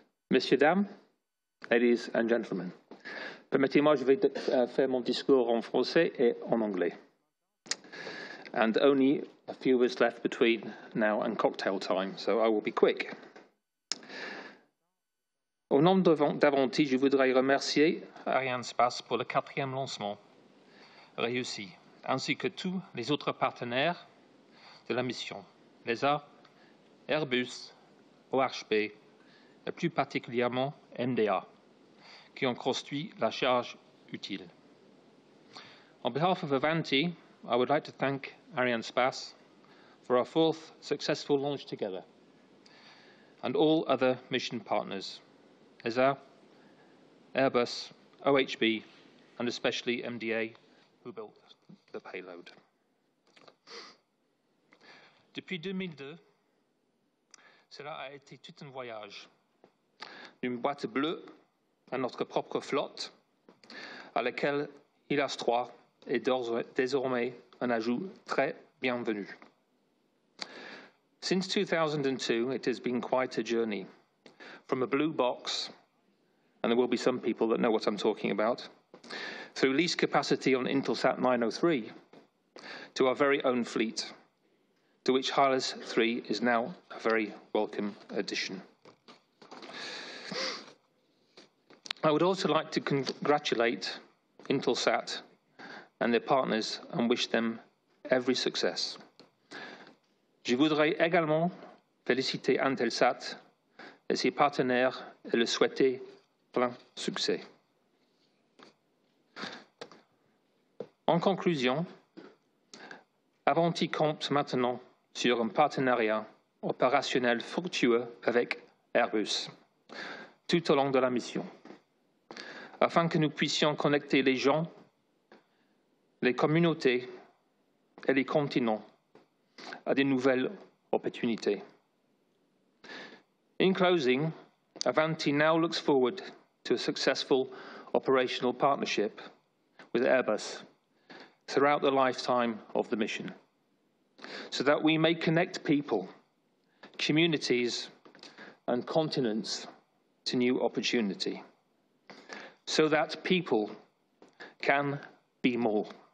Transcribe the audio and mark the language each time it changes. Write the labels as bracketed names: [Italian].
[French] Messieurs, dames, [English] ladies and gentlemen, [French] permettez-moi, je vais faire mon discours en français et en anglais. [English] And only a few words left between now and cocktail time, so I will be quick. [French] Au nom d'Avanti, je voudrais remercier Arianespace pour le quatrième lancement réussi, ainsi que tous les autres partenaires de la mission, l'ESA, Airbus, OHB, et plus particulièrement MDA, qui ont construit la charge utile. [English] On behalf of Avanti, I would like to thank Arianespace for our fourth successful launch together, and all other mission partners, ESA, Airbus, OHB, and especially MDA, who built the payload. [French] Depuis 2002, cela a été tout un voyage. D'une boîte bleue à notre propre flotte, à laquelle EDRS-C est désormais un ajout très bienvenu. [English] Since 2002, it has been quite a journey. From a blue box, and there will be some people that know what I'm talking about, through lease capacity on Intelsat 903, to our very own fleet, to which HYLAS 3 is now a very welcome addition. I would also like to congratulate Intelsat and their partners and wish them every success. [French] Je voudrais également féliciter Intelsat et ses partenaires et le souhaiter plein succès. En conclusion, Avanti compte maintenant sur un partenariat opérationnel fructueux avec Airbus tout au long de la mission, afin que nous puissions connecter les gens, les communautés et les continents à des nouvelles opportunités. [English] In closing, Avanti now looks forward to a successful operational partnership with Airbus throughout the lifetime of the mission, so that we may connect people, communities and continents to new opportunity, so that people can be more.